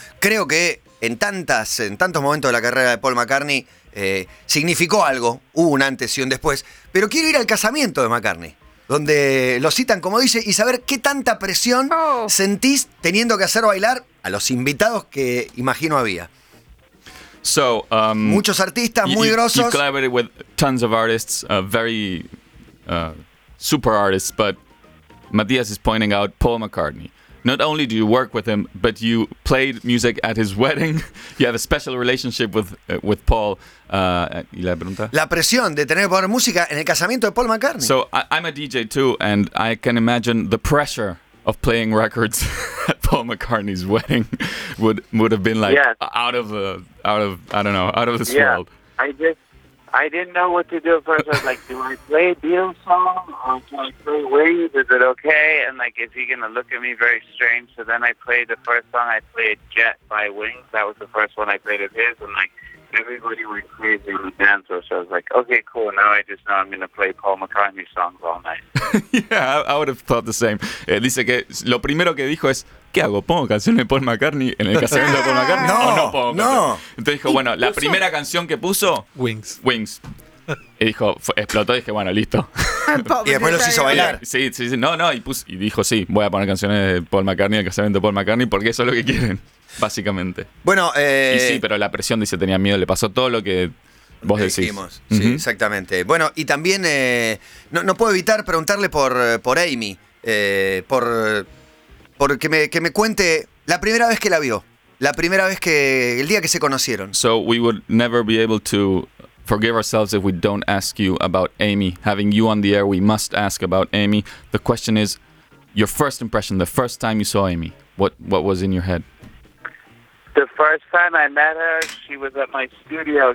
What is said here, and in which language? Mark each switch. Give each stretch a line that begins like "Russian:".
Spanish: Creo que en tantos momentos de la carrera de Paul McCartney significó algo. Hubo un antes y un después. Pero quiero ir al casamiento de McCartney, donde lo citan, como dice, y saber qué tanta presión sentís teniendo que hacer bailar a los invitados que imagino había.
English: So,
Spanish: muchos artistas muy grosos.
English: You collaborated with tons of artists, very super artists, but Matías is pointing out Paul McCartney. Not only do you work with him, but you played music at his wedding. You have a special relationship with Paul.
Spanish: ¿Y la pregunta? La presión de tener que poner música en el casamiento de Paul McCartney.
English: So I'm a DJ too, and I can imagine the pressure of playing records at Paul McCartney's wedding would have been like, yes, out of this yeah, world. I didn't know what to do at first. I was like, do I play a Beatles song? Or can I play Wave? Is it okay? And, like, is he going to look at me very strange? So then I played the first song. I played Jet by Wings. That was the first one I played of his. And, like, everybody went crazy in the dance floor. So I was like, okay, cool. Now I just know I'm going to play Paul McCartney songs all night. Yeah, I would have thought the same.
Spanish: Dice que lo primero que dijo es, ¿qué hago? ¿Pongo canciones de Paul McCartney en el casamiento de Paul McCartney? No, ¿o no pongo? No. Entonces dijo, bueno, la primera canción que puso,
English: Wings.
Spanish: Wings. Y dijo, explotó y dije, bueno, listo. Y después los hizo bailar. Sí, sí, sí. No, y dijo, sí, voy a poner canciones de Paul McCartney en el casamiento de Paul McCartney porque eso es lo que quieren, básicamente. Bueno, Y sí, pero la presión, dice, tenía miedo, le pasó todo lo que vos decís. Dijimos. Uh-huh. Sí, exactamente. Bueno, y también no puedo evitar preguntarle por Amy, porque que me cuente la primera vez que la vio, la primera vez que el día que se conocieron.
English: So we would never be able to forgive ourselves if we don't ask you about Amy. Having you on the air, we must ask about Amy. The question is, your first impression, the first time you saw Amy, what was in your head? The first time I met her, she was at my studio.